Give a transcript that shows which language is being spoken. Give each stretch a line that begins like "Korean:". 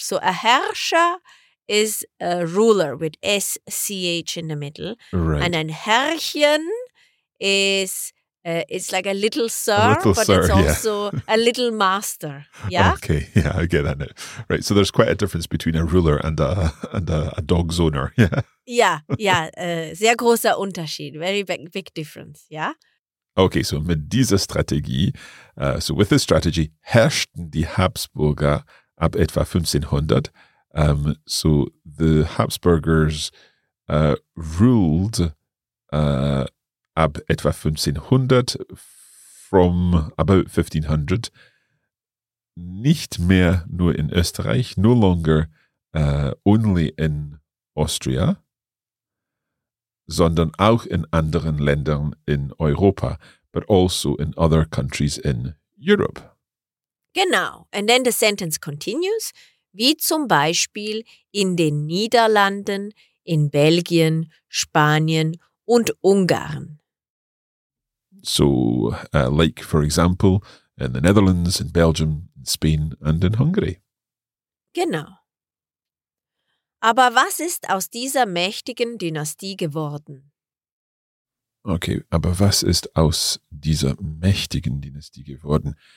English: So a Herrscher is a ruler with SCH in the middle. Right. And then Herrchen is... it's like a little sir, a little but sir, it's also yeah, a little master. Yeah. Okay. Yeah, I get that now. Right. So there's quite a difference between a ruler and a dog's owner. Yeah. Yeah. Yeah.
German: Sehr großer Unterschied.
English: Very big difference. Yeah. Okay.
German: So mit dieser Strategie,
English: with this strategy,
German: herrschten die Habsburger ab etwa 1500.
English: So the Habsburgers ruled.
German: Ab etwa 1500,
English: from about 1500,
German: nicht mehr nur in Österreich,
English: no longer only in Austria,
German: sondern auch in anderen Ländern in Europa,
English: but also in other countries in Europe.
German: Genau,
English: and then the sentence continues,
German: wie zum Beispiel in den Niederlanden, in Belgien, Spanien und Ungarn.
English: So, for example, in the Netherlands, in Belgium, in Spain and in Hungary.
German: Genau. Aber was ist aus dieser mächtigen Dynastie geworden? Okay, aber was ist aus dieser mächtigen Dynastie geworden?